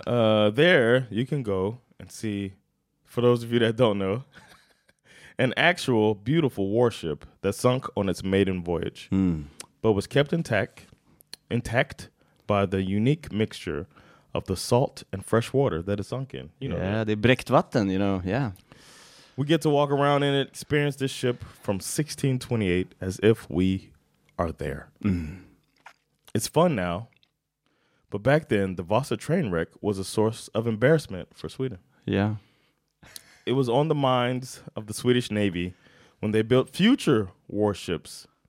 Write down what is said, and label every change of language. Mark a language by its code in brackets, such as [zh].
[en] There you can go and see, for those of you that don't know, an actual beautiful warship that sunk on its maiden voyage, but was kept intact by the unique mixture of the salt and fresh water that it sunk in. You know, [sv] yeah, det är bräckt vatten, [en] you know, [sv] yeah. [en] We get to walk around in it, experience this ship from 1628 as if we are there. Mm. It's fun now, but back then, the Vasa train wreck was a source of embarrassment for Sweden. Yeah. It was on the minds of the Swedish Navy when they built future warships.